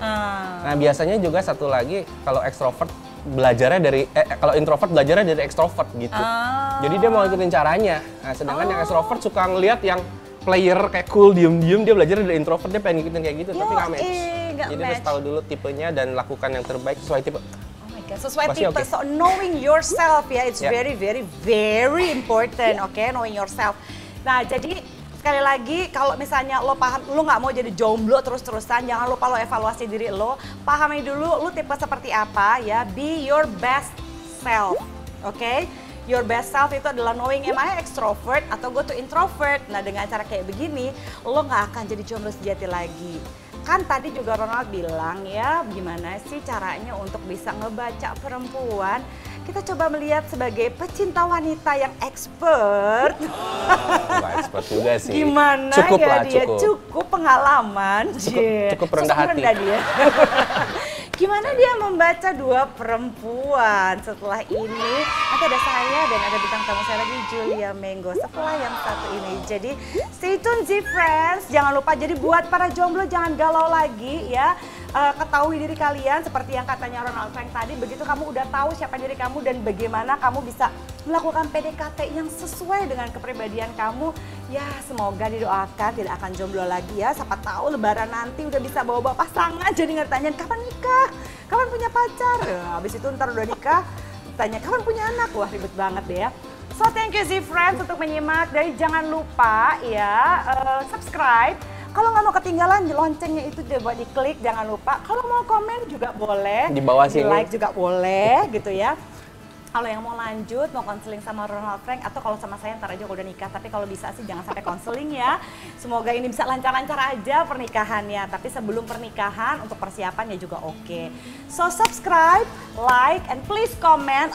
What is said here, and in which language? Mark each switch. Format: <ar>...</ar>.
<id>Nah biasanya juga satu lagi, kalau extrovert belajarnya dari, kalau introvert belajarnya dari extrovert gitu. Jadi dia mau ikutin caranya, nah, sedangkan yang extrovert suka ngeliat yang player kayak cool, diem-diem, dia belajar dari introvert, dia pengen ngikutin kayak gitu, tapi gak match. Jadi harus tahu dulu tipenya dan lakukan yang terbaik sesuai tipe.</id> <en>Oh my God,</en> <id>sesuai tipe.</id> <en>Okay. So knowing yourself ya, it's very very very important, okay? Knowing yourself.</en> <id>Nah jadi sekali lagi kalau misalnya lo paham, lo nggak mau jadi jomblo terus-terusan, jangan lupa lo evaluasi diri lo, pahami dulu lo tipe seperti apa ya.</id> <en>Be your best self, okay? Your best self</en> <id>itu adalah</id> <en>knowing am I extrovert</en> <id>atau</id> <en>go to introvert.</en> <id>Nah dengan cara kayak begini, lo nggak akan jadi jomblo sejati lagi. Kan tadi juga Ronald bilang ya, gimana sih caranya untuk bisa ngebaca perempuan. Kita coba melihat sebagai pecinta wanita yang expert. Gak expert juga sih. Gimana cukup ya lah, dia? Cukup pengalaman. Cukup rendah hati. Rendah dia. Gimana dia membaca dua perempuan setelah ini? Nanti ada saya dan ada bintang tamu saya lagi, Julia Mengo, setelah yang satu ini. Jadi</id> <en>stay tuned,</en> <id>Z-Friends. Jangan lupa, jadi buat para jomblo jangan galau lagi ya. Ketahui diri kalian seperti yang katanya Ronald Frank tadi. Begitu kamu udah tahu siapa diri kamu dan bagaimana kamu bisa melakukan PDKT yang sesuai dengan kepribadian kamu. Ya semoga didoakan tidak akan jomblo lagi ya. Siapa tahu lebaran nanti udah bisa bawa-bawa pasangan. Jadi gak ditanyain kapan nikah? Kapan punya pacar? Habis itu ntar udah nikah tanya kapan punya anak? Wah ribet banget deh ya.</id> <en>So thank you</en> <id>Z-Friends untuk menyimak. Dan jangan lupa ya subscribe. Kalau nggak mau ketinggalan, loncengnya itu coba diklik, jangan lupa. Kalau mau komen juga boleh. Di bawah sini. Di like juga boleh, gitu ya. Kalau yang mau lanjut, mau konseling sama Ronald Frank, atau kalau sama saya, ntar aja udah nikah. Tapi kalau bisa sih, jangan sampai konseling ya. Semoga ini bisa lancar-lancar aja pernikahannya. Tapi sebelum pernikahan, untuk persiapannya juga oke.</id> <en>So, subscribe, like, and please comment.</en>